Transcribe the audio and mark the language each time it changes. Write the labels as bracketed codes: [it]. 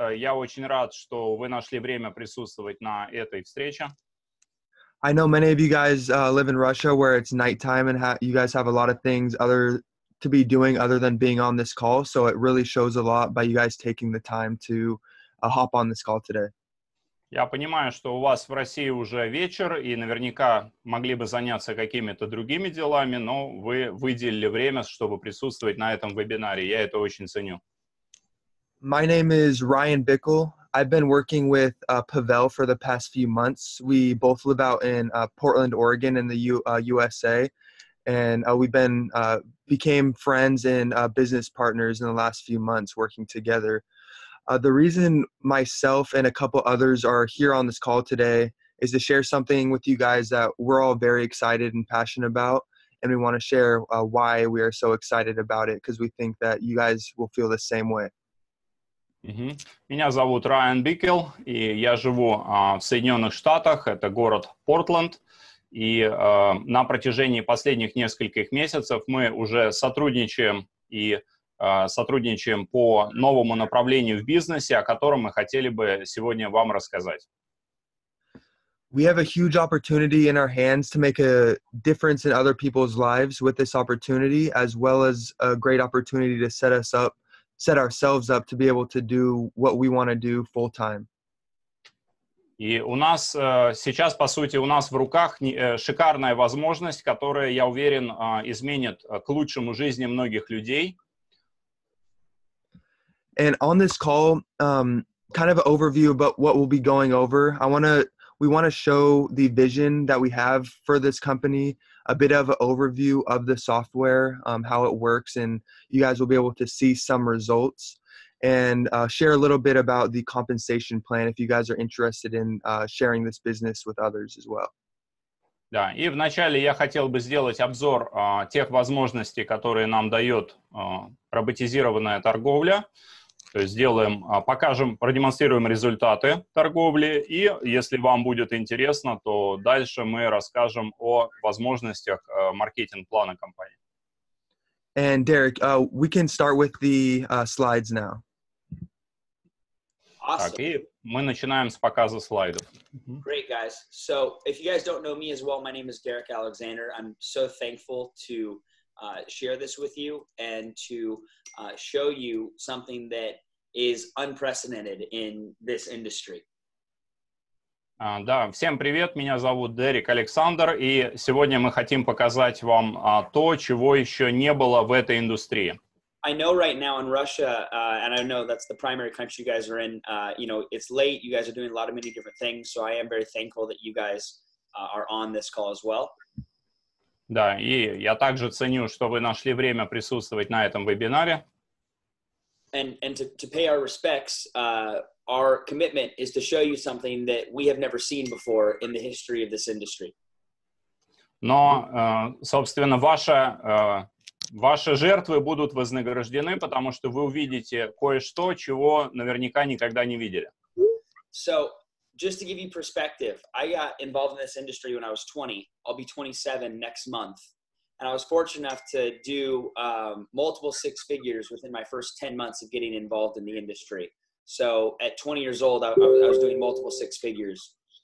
[ru] Я очень рад, что вы нашли время присутствовать на этой встрече. [en] I know many of you guys live in Russia where it's nighttime and you guys have a lot of things other to be doing other than being on this call. So it really shows a lot by you guys taking the time to hop on this call today. [ru] Я понимаю, что у вас в России уже вечер, и наверняка могли бы заняться какими-то другими делами, но вы выделили время, чтобы присутствовать на этом вебинаре. Я это очень ценю. [en] My name is Ryan Bickle. I've been working with Pavel for the past few months. We both live out in Portland, Oregon, in the USA, and we've been became friends and business partners in the last few months working together. The reason myself and a couple others are here on this call today is to share something with you guys that we're all very excited and passionate about, and we want to share why we are so excited about it, because we think that you guys will feel the same way. Mm-hmm. [ru] Меня зовут Райан Бикел, и я живу в Соединенных Штатах, это город Портленд, и на протяжении последних нескольких месяцев мы уже сотрудничаем и сотрудничаем по новому направлению в бизнесе, о котором мы хотели бы сегодня вам рассказать. [en] We have a huge opportunity in our hands to make a difference in other people's lives with this opportunity, as well as a great opportunity to set ourselves up to be able to do what we want to do full time. [ru] И у нас сейчас, по сути, у нас в руках шикарная возможность, которая, я уверен, изменит к лучшему жизни многих людей. [en] And on this call, kind of an overview about what we'll be going over, we want to show the vision that we have for this company, a bit of an overview of the software, how it works, and you guys will be able to see some results, and share a little bit about the compensation plan if you guys are interested in sharing this business with others as well. [ru] Да, и вначале я хотел бы сделать обзор тех возможностей, которые нам дает роботизированная торговля. То есть сделаем, покажем, продемонстрируем результаты торговли, и если вам будет интересно, то дальше мы расскажем о возможностях маркетинг-плана компании. [en] And Derek, we can start with the slides now. Awesome. [ru] Так, и мы начинаем с показа слайдов. [en] Great, guys. So, if you guys don't know me as well, my name is Derek Alexander. I'm so thankful to share this with you and to show you something that is unprecedented in this industry. [ru] Да, всем привет, меня зовут Дерек Александр, и сегодня мы хотим показать вам то, чего еще не было в этой индустрии. [en] I know right now in Russia, and I know that's the primary country you guys are in, you know, it's late, you guys are doing a lot of many different things, so I am very thankful that you guys are on this call as well. [ru] Да, и я также ценю, что вы нашли время присутствовать на этом вебинаре. [en] And to pay our respects, our commitment is to show you something that we have never seen before in the history of this industry. [ru] Но, собственно, ваши жертвы будут вознаграждены, потому что вы увидите кое-что, чего наверняка никогда не видели. [en] So, just to give you perspective, I got involved in this industry when I was 20. I'll be 27 next month. And I was fortunate enough to do multiple six figures within my first 10 months of getting involved in the industry. So at 20 years old, I was doing multiple six figures.